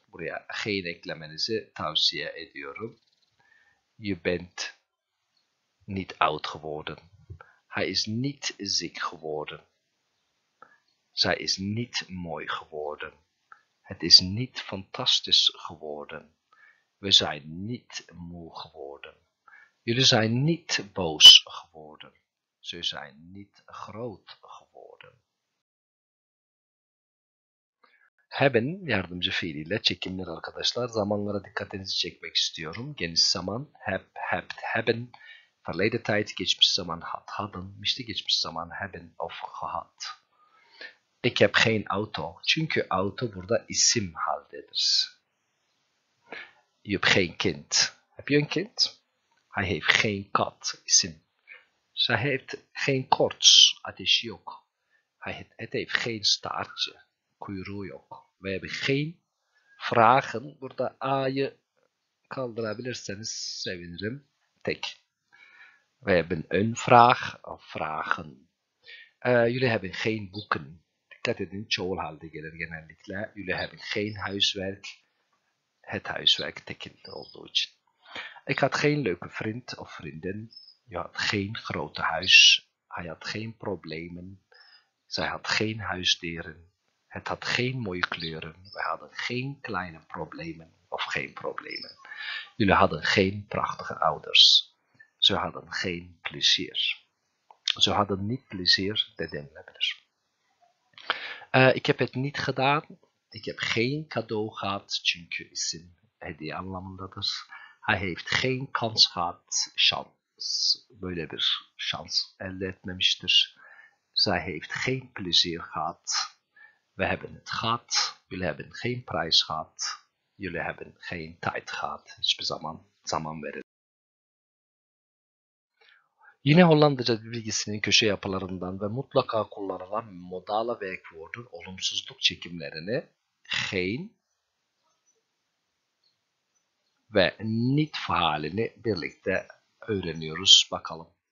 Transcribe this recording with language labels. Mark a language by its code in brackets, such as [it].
[tr] Buraya geen eklemenizi tavsiye ediyorum. [nl] Je bent niet oud geworden. Hij is niet ziek geworden. Zij is niet mooi geworden. Het is niet fantastisch geworden. We zijn niet moe geworden. Jullie zijn niet boos geworden. Ze zijn niet groot geworden. [tr] Hebben, yardımcı fiiliyle çekimler arkadaşlar. Zamanlara dikkatinizi çekmek istiyorum. Geniş zaman, hebben. Verleden tijd, geçmiş zaman, hadden. Mişti geçmiş zaman, [nl] hebben of gehad. Ik heb geen auto. [tr] Çünkü auto burada isim haldedir. [nl] Je hebt geen kind. Heb je een kind? Hij heeft geen kat. Isim. Zij heeft geen korts. [tr] Ateş yok. [nl] Het heeft geen staartje. [tr] Kuyruğu yok. [nl] We hebben geen vragen. [tr] Burada A'yı kaldırabilirseniz sevinirim. Tek. [nl] We hebben een vraag of vragen. Jullie hebben geen boeken. [tr] Dikkat edin. Çoğul halde gelir genellikle. [nl] Jullie hebben geen huiswerk. Het huiswerk tekent [tr] olduğu için. [nl] Ik had geen leuke vriend of vriendin. Je had geen grote huis. Hij had geen problemen. Zij had geen huisdieren. Het had geen mooie kleuren. We hadden geen kleine problemen of geen problemen. Jullie hadden geen prachtige ouders. Ze hadden geen plezier. Ze hadden niet plezier, de deelnemers. Ik heb het niet gedaan. Ik heb geen cadeau gehad. [tr] Çünkü isim hediye anlamındadır. [nl] Hij heeft geen kans gehad. [tr] Şans, böyle bir şans elde etmemiştir. [nl] Zij heeft geen plezier gehad. We hebben het gehad. Jullie hebben geen prijs gehad. Jullie hebben geen tijd gehad. [tr] Hiçbir zaman, zaman verin. Yine Hollandaca bilgisinin köşe yapılarından ve mutlaka kullanılan modale werkwoorden olumsuzluk çekimlerini geen ve niet faalini birlikte öğreniyoruz. Bakalım.